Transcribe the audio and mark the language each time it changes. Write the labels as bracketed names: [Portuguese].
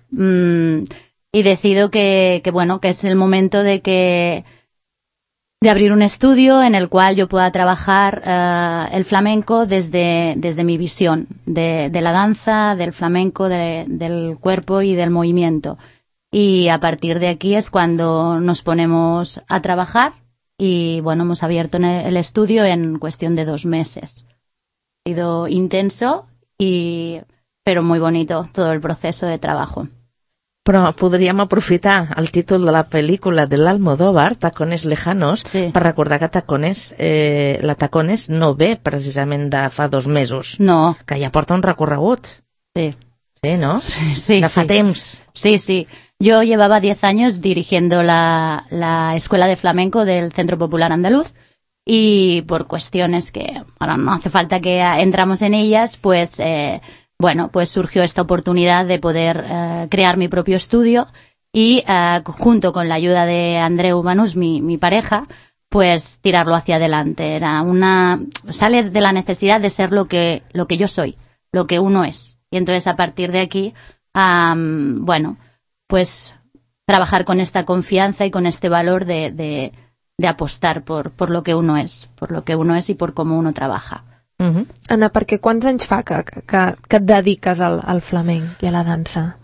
[Spanish] Y decido que es el momento de abrir un estudio en el cual yo pueda trabajar el flamenco desde mi visión de la danza, del flamenco, del cuerpo y del movimiento. Y a partir de aquí es cuando nos ponemos a trabajar y, bueno, hemos abierto el estudio en cuestión de 2 meses. Ha sido intenso, pero muy bonito todo el proceso de trabajo. [Catalan] Però podríem aprofitar el títol de la pel·lícula de l'Almodóvar, Tacones Lejanos, sí, per recordar que la Tacones no ve precisament de fa 2 mesos. No. Que ja porta un recorregut. Sí. Sí, no? Sí, sí. De fa sí. temps. Sí, sí. [Spanish] Yo llevaba 10 años dirigiendo la Escuela de Flamenco del Centro Popular Andaluz y por cuestiones que ahora no hace falta que entramos en ellas, pues... bueno, pues surgió esta oportunidad de poder crear mi propio estudio y junto con la ayuda de Andreu Banús, mi pareja, pues tirarlo hacia adelante. Sale de la necesidad de ser lo que yo soy, lo que uno es. Y entonces a partir de aquí, bueno, pues trabajar con esta confianza y con este valor de apostar por lo que uno es, por lo que uno es y por cómo uno trabaja. Uh-huh. [Catalan] Anna, perquè quants anys fa que et dediques al flamenc i a la dansa?